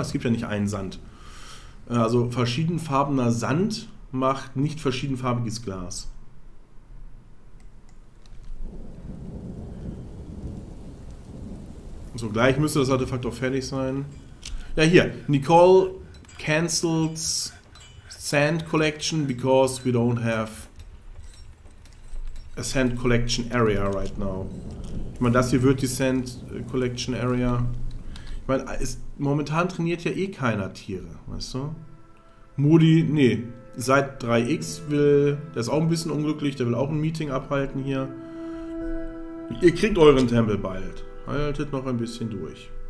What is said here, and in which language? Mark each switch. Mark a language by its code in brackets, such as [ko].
[de] Es gibt ja nicht einen Sand. Also verschiedenfarbener Sand macht nicht verschiedenfarbiges Glas. So, gleich müsste das Artefakt auch fertig sein. Ja, hier. [en] Nicole cancels Sand Collection because we don't have a Sand Collection Area right now. [de] Ich meine, das hier wird die Sand Collection Area. Ich meine, momentan trainiert ja eh keiner Tiere, weißt du? Moody, nee, seit 3x will, der ist auch ein bisschen unglücklich, der will auch ein Meeting abhalten hier. Ihr kriegt euren Tempel bald. Haltet noch ein bisschen durch.